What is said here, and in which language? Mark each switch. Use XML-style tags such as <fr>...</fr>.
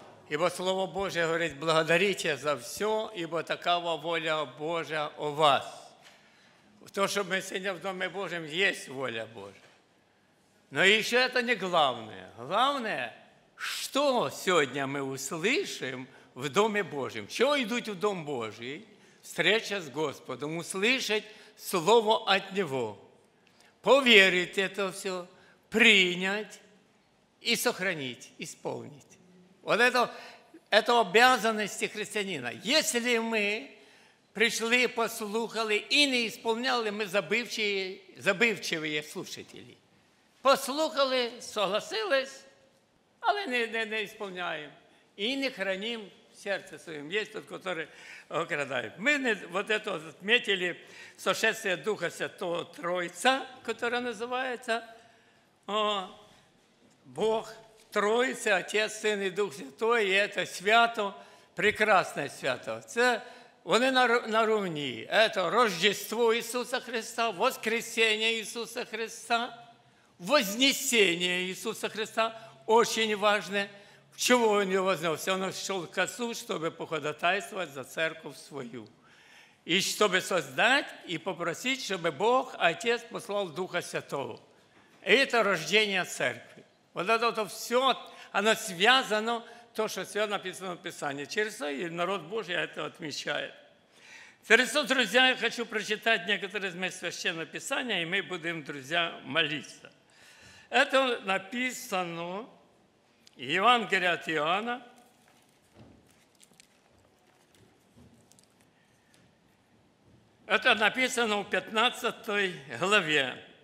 <uk>Ібо Слово Боже говорить, благодаріте за все, ібо такава воля Божа у вас. То, що ми сьогодні в Домі Божому, є воля Божа. Но ще це не головне. Головне, що сьогодні ми услышим в Домі Божому. Чого йдуть в Дом Божий?</uk> <ru>Встреча з Господом, услышать Слово от Нього.</ru> <uk>Повірити це все, прийняти.</uk> <ru>И сохранить, исполнить. Вот это обязанности христианина. Если мы пришли, послухали и не исполняли, мы забывчивые слушатели. Послухали, согласились, але не исполняем. И не храним сердце своим. Есть тот, который украдает. Мы вот это отметили сошествие Духа Святого Троица, которое называется Бог, Троїця, Отець, Син і Дух Святой,</ru> <uk>і це свято, прекрасне свято. Це вони на рівні. Це Рождество Ісуса Христа, Воскресіння Ісуса Христа, Вознесіння Ісуса Христа. Очень важне, чого Він його вознесся? Він йшов к Отцу, щоб походатайствовать за церковь свою. І щоб создати і попросити, щоб Бог, Отець, послав Духа Святого. І це рождення церкви.</uk> <ru>Вот это все, оно связано, то, что все написано в Писании. Через то и народ Божий это отмечает. Через то, друзья, я хочу прочитать некоторые из моих священных писаний, и мы будем, друзья, молиться. Это написано Евангелие от Иоанна, 15 главе.</ru>